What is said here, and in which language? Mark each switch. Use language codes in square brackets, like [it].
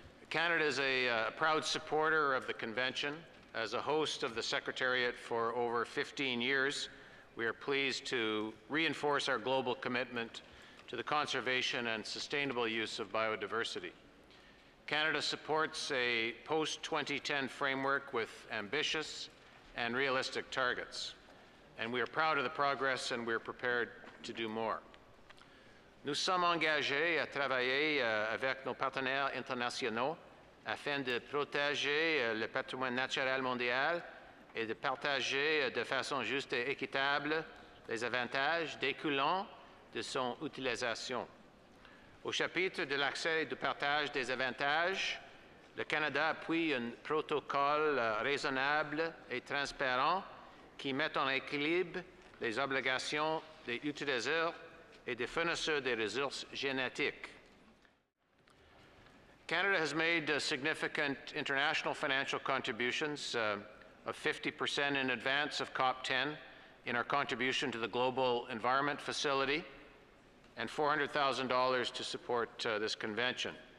[en] Canada is a proud supporter of the Convention. As a host of the Secretariat for over 15 years, we are pleased to reinforce our global commitment to the conservation and sustainable use of biodiversity. Canada supports a post-2010 framework with ambitious and realistic targets, and we are proud of the progress and we are prepared to do more. [fr] Nous sommes engagés à travailler avec nos partenaires internationaux afin de protéger le patrimoine naturel mondial et de partager de façon juste et équitable les avantages découlant de son utilisation. Au chapitre de l'accès et du partage des avantages, le Canada appuie un protocole raisonnable et transparent qui met en équilibre les obligations des utilisateurs et des fournisseurs des ressources génétiques. [en] Canada has made significant international financial contributions of 50% in advance of COP10 in our contribution to the Global Environment Facility and $400,000 to support this convention.